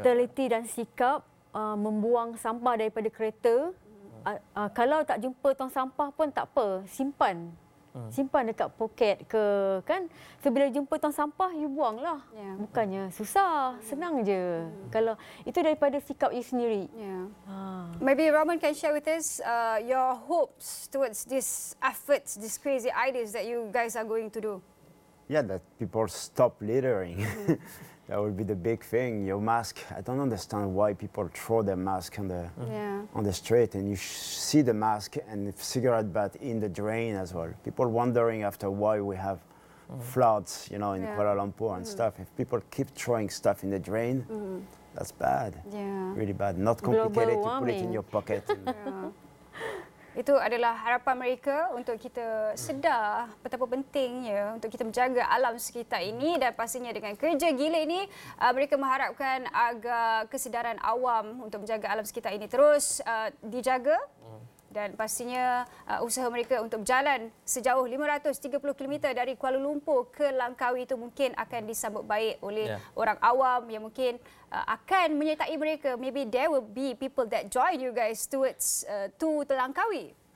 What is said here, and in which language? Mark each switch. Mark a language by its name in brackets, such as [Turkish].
[Malay] Mentaliti dan sikap membuang sampah daripada kereta. Kalau tak jumpa tong sampah pun tak apa, simpan. Simpan dekat poket ke, kan? So bila jumpa tong sampah, you buanglah. Bukannya susah, senang je. Kalau itu daripada sikap you sendiri. [English] Maybe Roman can share with us your hopes towards this efforts, this crazy ideas that you guys are going to do. Yeah, that people stop littering. That would be the big thing. Your mask, I don't understand why people throw their mask on the on the street, and you see the mask and the cigarette butt in the drain as well. People wondering after why we have floods, you know, in Kuala Lumpur and stuff. If people keep throwing stuff in the drain, that's bad. Yeah. Really bad. Not complicated to put it in your pocket. [Malay] Itu adalah harapan mereka untuk kita sedar betapa pentingnya untuk kita menjaga alam sekitar ini, dan pastinya dengan kerja gila ini mereka mengharapkan agar kesedaran awam untuk menjaga alam sekitar ini terus dijaga. Dan pastinya usaha mereka untuk berjalan sejauh 530 km dari Kuala Lumpur ke Langkawi itu mungkin akan disambut baik oleh orang awam yang mungkin akan menyertai mereka. [English] Maybe there will be people that join you guys towards to Langkawi.